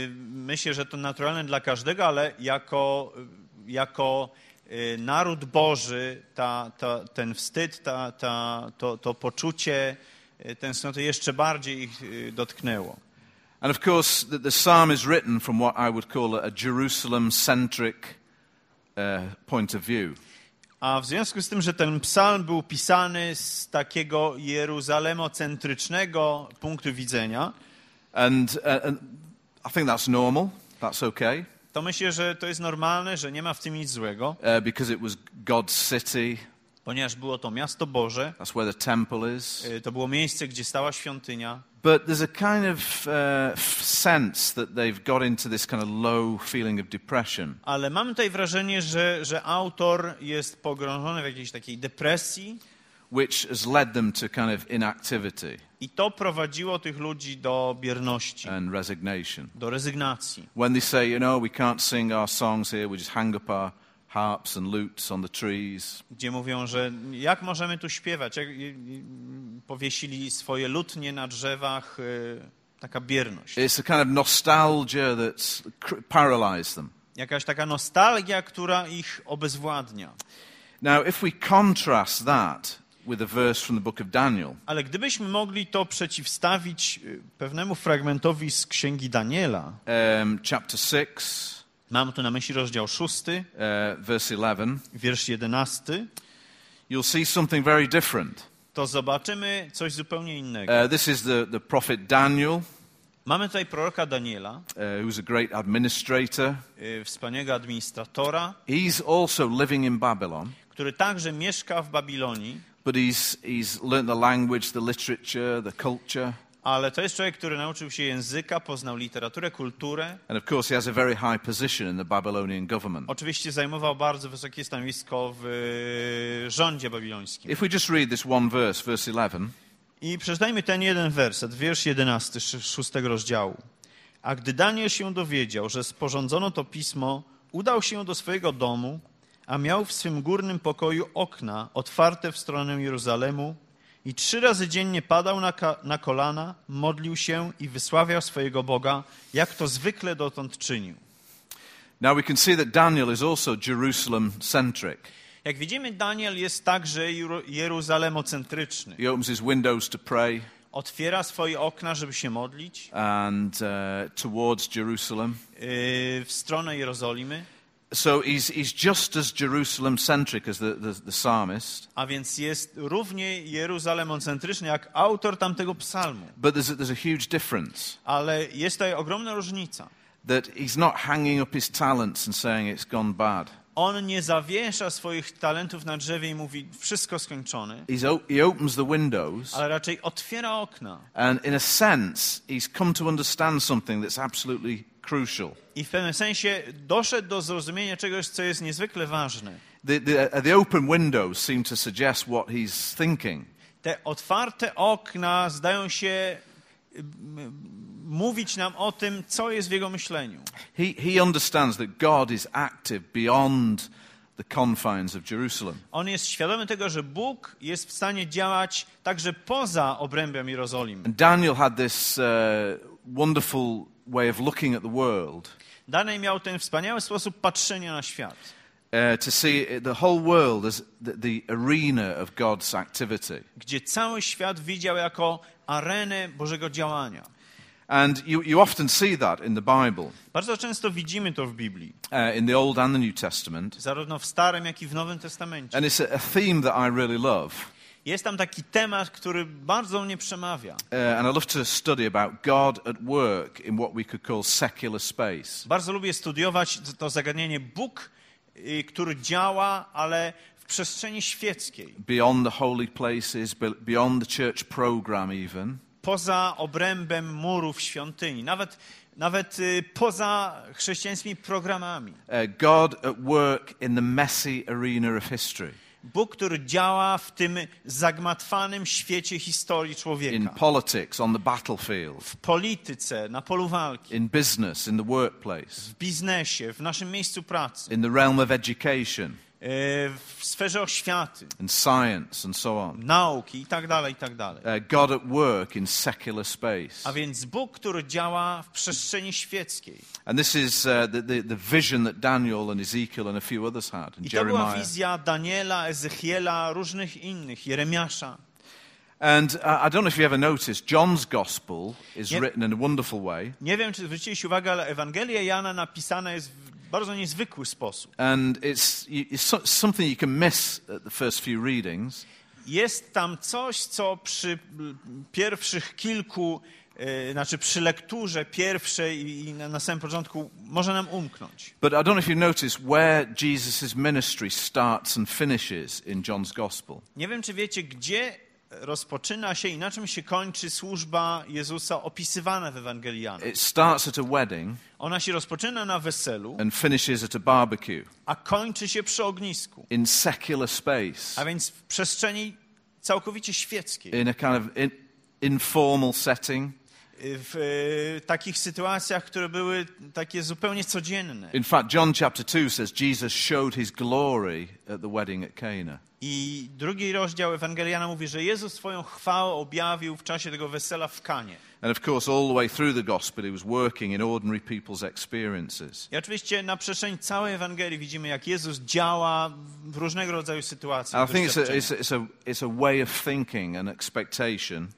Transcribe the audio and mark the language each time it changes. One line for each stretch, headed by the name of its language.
Polish: Myślę, że to naturalne dla każdego, ale jako naród Boży, ten wstyd, to poczucie tęsknoty jeszcze bardziej ich dotknęło.
English: And of course, the psalm is written from what I would call a Jerusalem-centric point of view.
Polish: A w związku z tym, że ten psalm był pisany z takiego jeruzalemocentrycznego punktu widzenia,
English: and I think that's normal. That's okay.
Polish: To myślę, że to jest normalne, że nie ma w tym nic złego.
English: Because it was God's city.
Polish: Ponieważ było to miasto Boże.
English: That's where the temple is.
Polish: To było miejsce, gdzie stała świątynia.
English: But there's a kind of sense that they've got into this kind of low feeling of depression.
Polish: Ale mam tutaj wrażenie, że autor jest pogrążony w jakiejś takiej depresji,
English: which has led them to kind of inactivity.
Polish: I to prowadziło tych ludzi do bierności.
English: And resignation.
Polish: Do rezygnacji.
English: When they say, you know, we can't sing our songs here, we just hang up our harps and lutes on the trees.
Polish: Gdzie mówią, że jak możemy tu śpiewać? Jak powiesili swoje lutnie na drzewach, taka bierność.
English: It's a kind of nostalgia that's paralyzed them.
Polish: Jakaś taka nostalgia, która ich obezwładnia.
English: Now, if we contrast that with a verse from the book of Daniel.
Polish: Ale gdybyśmy mogli to przeciwstawić pewnemu fragmentowi z Księgi Daniela.
English: Chapter 6.
Polish: Mam tu na myśli rozdział 6,
English: verse 11.
Polish: Wiersz 11.
English: You'll see something very different.
Polish: To zobaczymy coś zupełnie innego.
English: This is the prophet Daniel.
Polish: Mamy tutaj proroka Daniela.
English: Who's a great administrator.
Polish: Wspaniałego administratora.
English: He's also living in Babylon.
Polish: Który także mieszka w Babilonii.
English: But he's learned the language, the literature, the culture.
Polish: Ale to jest człowiek, który nauczył się języka, poznał literaturę, kulturę.
English: And of course he has a very high position in the Babylonian government.
Polish: Oczywiście zajmował bardzo wysokie stanowisko w rządzie babilońskim.
English: If we just read this one verse, verse 11.
Polish: I przeczytajmy ten jeden werset, wiersz 11, 6 rozdziału. A gdy Daniel się dowiedział, że sporządzono to pismo, udał się do swojego domu, a miał w swym górnym pokoju okna otwarte w stronę Jeruzalemu i trzy razy dziennie padał na kolana, modlił się i wysławiał swojego Boga, jak to zwykle dotąd czynił.
English: Now we can see that Daniel is also Jerusalem-centric.
Polish: Jak widzimy, Daniel jest także jeruzalemocentryczny.
English: He opens his windows to pray.
Polish: Otwiera swoje okna, żeby się modlić.
English: And towards Jerusalem.
Polish: W stronę Jerozolimy.
English: So he's just as Jerusalem-centric as the psalmist.
Polish: A więc jest równie jeruzalemocentryczny jak autor tamtego psalmu.
English: But there's a huge difference.
Polish: Ale jest tutaj ogromna różnica.
English: That he's not hanging up his talents and saying it's gone bad.
Polish: On nie zawiesza swoich talentów na drzewie i mówi wszystko skończone.
English: He opens the windows.
Polish: Ale raczej otwiera okna.
English: And in a sense he's come to understand something that's absolutely crucial.
Polish: I w pewnym sensie doszedł do zrozumienia czegoś, co jest niezwykle ważne.
English: The open windows seem to suggest what he's thinking.
Polish: Te otwarte okna zdają się mówić nam o tym, co jest w jego myśleniu.
English: He understands that God is active beyond the confines of Jerusalem.
Polish: On jest świadomy tego, że Bóg jest w stanie działać także poza obrębem Jerozolimy.
English: And Daniel had this wonderful way of looking at the world.
Polish: Daniel miał ten wspaniały sposób patrzenia na świat.
English: To see the whole world as the arena of God's activity.
Polish: Gdzie cały świat widział jako arenę Bożego działania.
English: And you often see that in the Bible.
Polish: Bardzo często widzimy to w Biblii.
English: In the Old and the New Testament.
Polish: Zarówno w Starym, jak i w Nowym Testamencie.
English: And it's a theme that I really love.
Polish: Jest tam taki temat, który bardzo mnie przemawia.
English: And I love to study about God at work in what we could call secular space.
Polish: Bardzo lubię studiować to zagadnienie Bóg, który działa, ale w przestrzeni świeckiej.
English: Beyond the holy places, beyond the church program even.
Polish: Poza obrębem murów świątyni, nawet poza chrześcijańskimi programami.
English: God at work in the messy arena of history.
Polish: Bóg, który działa w tym zagmatwanym świecie historii człowieka.
English: In politics, on the battlefield.
Polish: W polityce, na polu walki.
English: In business, in the workplace.
Polish: W biznesie, w naszym miejscu pracy.
English: In the realm of education.
Polish: W sferze oświaty.
English: In science and so on.
Polish: Nauki i tak dalej, i tak dalej.
English: God at work in secular space.
Polish: A więc Bóg, który działa w przestrzeni świeckiej.
English: And this is the vision that Daniel and Ezekiel and a few others had. And
Polish: I to była wizja Daniela, Ezechiela, różnych innych, Jeremiasza.
English: And I don't know if you ever noticed, John's Gospel is written in a wonderful way.
Polish: Nie wiem, czy zwróciłeś uwagę, ale Ewangelia Jana napisana jest w bardzo niezwykły sposób.
English: And it's something you can miss at the first few readings.
Polish: Jest tam coś, co przy pierwszych kilku, znaczy przy lekturze pierwszej i na samym początku może nam umknąć.
English: But I don't know if you notice where Jesus' ministry starts and finishes in John's Gospel.
Polish: Nie wiem, czy wiecie, gdzie rozpoczyna się i na czym się kończy służba Jezusa opisywana w Ewangelii Jana.
English: It starts at a wedding.
Polish: Ona się rozpoczyna na weselu.
English: And finishes at a barbecue.
Polish: A kończy się przy ognisku.
English: In secular space.
Polish: A więc w przestrzeni całkowicie świeckiej.
English: In a kind of informal setting.
Polish: w takich sytuacjach, które były takie zupełnie codzienne.
English: In fact, John chapter 2 says Jesus showed his glory at the wedding at Cana.
Polish: I drugi rozdział Ewangeliana mówi, że Jezus swoją chwałę objawił w czasie tego wesela w Kanie.
English: And of course, all the way through the gospel, he was working in ordinary people's experiences.
Polish: I oczywiście na przestrzeni całej Ewangelii widzimy, jak Jezus działa w różnego rodzaju sytuacjach.
English: I think it's a way of thinking and expectation.